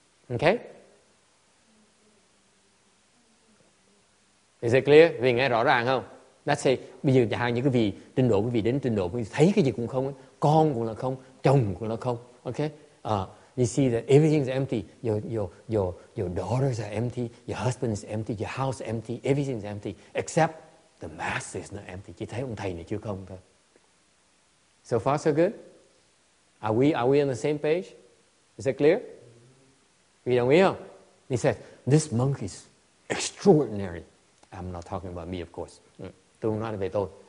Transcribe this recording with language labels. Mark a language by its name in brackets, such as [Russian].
[English] Okay? Is it clear? [Vietnamese] Vì nghe rõ ràng không? [English] Let's say, [Vietnamese] bây giờ hai những cái vị trình độ, quý vị đến trình độ, quý vị thấy cái gì cũng không, con cũng là không, chồng cũng là không. [English] Okay? You see that everything is empty. Your daughters are empty, your husband is empty, your house is empty, everything is empty, except the master is not empty. [Vietnamese] Chỉ thấy ông thầy này chưa không thôi. [English] So far, so good? Are we on the same page? Is that clear? [Vietnamese] Quý vị đồng ý không? [English] He said, this monk is extraordinary. I'm not talking about me, of course. [Vietnamese] Tôi không nói về tôi.